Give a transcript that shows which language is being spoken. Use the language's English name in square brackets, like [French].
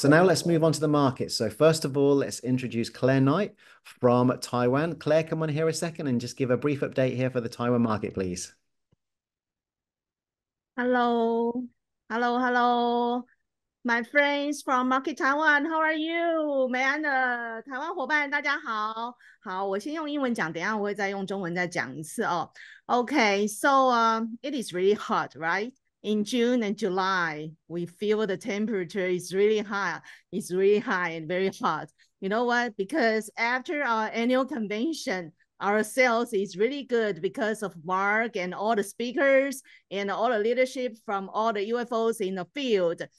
[English] So now let's move on to the market. So first of all, let's introduce Claire Knight from Taiwan. Claire, come on here a second and just give a brief update here for the Taiwan market, please. Hello. Hello, hello. My friends from Market Taiwan, how are you? [Chinese] 美安的台湾伙伴，大家好。好，我先用英文讲，等一下我会再用中文再讲一次哦。 [English] Okay, so it is really hot, right? In June and July, we feel the temperature is really high. It's really high and very hot. You know what? Because after our annual convention, our sales is really good because of Mark and all the speakers and all the leadership from all the UFOs in the field.